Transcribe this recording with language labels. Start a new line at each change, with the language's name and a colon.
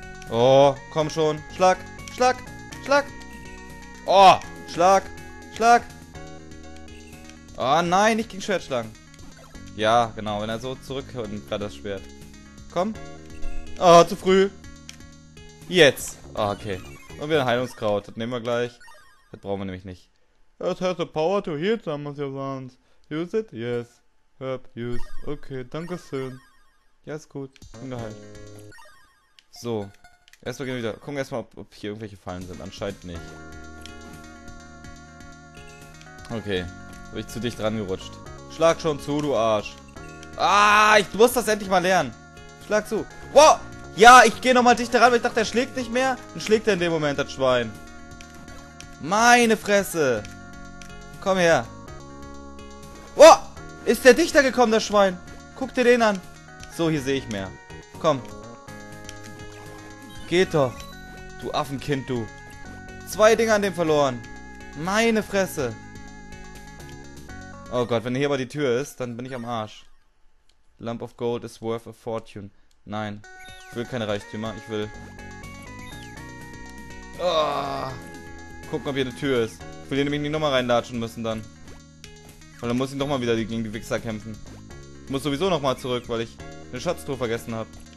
German: Oh, komm schon. Schlag, schlag, schlag. Oh, schlag, schlag. Ah, oh, nein, nicht gegen Schwertschlangen. Ja, genau, wenn er so zurück und gerade das Schwert. Komm. Ah, oh, zu früh. Jetzt. Oh, okay. Und wieder ein Heilungskraut. Das nehmen wir gleich. Das brauchen wir nämlich nicht.
English: It has the power to heal some of your wounds. Use it? Yes. Herb, use.
German: Okay, danke schön. Ja, ist gut. Bin geheilt. So. Erstmal gehen wir wieder. Gucken erstmal, ob hier irgendwelche Fallen sind. Anscheinend nicht. Okay. Habe ich zu dicht rangerutscht. Schlag schon zu, du Arsch. Ah, ich muss das endlich mal lernen. Schlag zu. Wow! Ja, ich gehe nochmal dichter ran, weil ich dachte, er schlägt nicht mehr. Und schlägt er in dem Moment, das Schwein. Meine Fresse. Komm her. Wow! Ist der dichter gekommen, das Schwein? Guck dir den an. So, hier sehe ich mehr. Komm. Geht doch. Du Affenkind, du. Zwei Dinger an dem verloren. Meine Fresse. Oh Gott, wenn hier aber die Tür ist, dann bin ich am Arsch.
English: Lump of gold is worth a fortune.
German: Nein. Ich will keine Reichtümer. Ich will... Oh. Gucken, ob hier eine Tür ist. Ich will hier nämlich nicht nochmal reinlatschen müssen dann. Und dann muss ich nochmal wieder gegen die Wichser kämpfen. Ich muss sowieso nochmal zurück, weil ich eine Schatztruhe vergessen habe.